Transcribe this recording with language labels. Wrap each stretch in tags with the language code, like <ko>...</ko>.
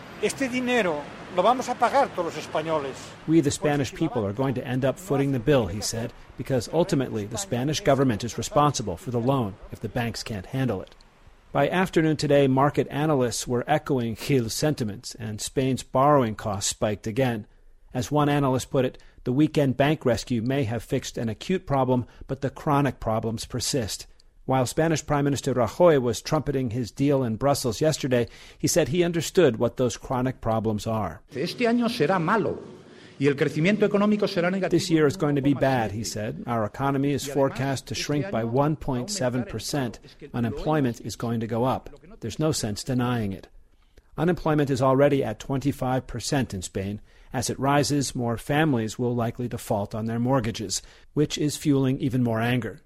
<es>Este dinero lo vamos a pagar todos los españoles.</es> <en>We, the Spanish people, are going to end up footing the bill, he said, because ultimately the Spanish government is responsible for the loan if the banks can't handle it. By afternoon today, market analysts were echoing Gil's sentiments, and Spain's borrowing costs spiked again. As one analyst put it, the weekend bank rescue may have fixed an acute problem, but the chronic problems persist. While Spanish Prime Minister Rajoy was trumpeting his deal in Brussels yesterday, he said he understood what those chronic problems are.</en> <es>Este año será malo y el crecimiento económico será negativo.</es> <en>This year is going to be bad, he said. Our economy is forecast to shrink by 1.7%. Unemployment is going to go up. There's no sense denying it. Unemployment is already at 25% in Spain. As it rises, more families will likely default on their mortgages, which is fueling even more anger.</en>